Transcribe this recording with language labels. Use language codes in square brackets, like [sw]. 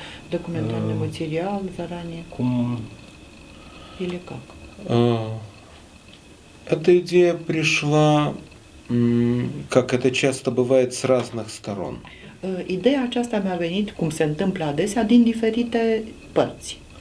[ro] Documentarul material, [ru] заранее. [ro] Cum? [ru] Или как? Эта идея пришла, как это часто бывает, с разных сторон. [ro] Ideea aceasta mi-a venit, cum se întâmplă adesea, din diferite părți.